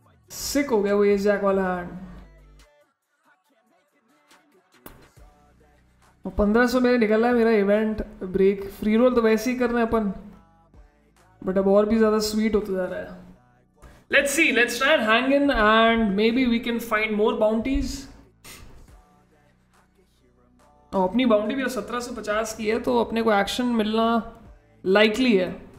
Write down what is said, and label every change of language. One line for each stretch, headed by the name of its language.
Hindi: सिक हो गया वो एस जैक वाला हैंड. 1500 मेरे निकल रहा है मेरा इवेंट ब्रेक. फ्री रोल तो वैसे ही कर रहे हैं अपन बट अब और भी ज्यादा स्वीट होता जा रहा है.
English: Let's see, let's try and hang in and maybe we can find more bounties.
Hindi: अपनी बाउंड्री भी 1750 की है तो अपने को एक्शन मिलना लाइकली है.